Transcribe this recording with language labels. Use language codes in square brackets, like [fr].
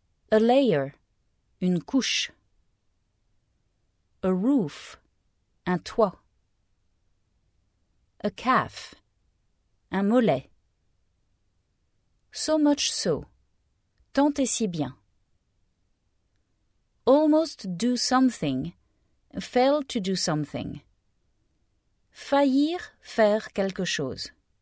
[en] A layer, [fr] une couche. [en] A roof, [fr] un toit. [en] A calf, [fr] un mollet. [en] So much so, [fr] tant et si bien. [en] Almost do something, fail to do something. [fr] Faillir faire quelque chose.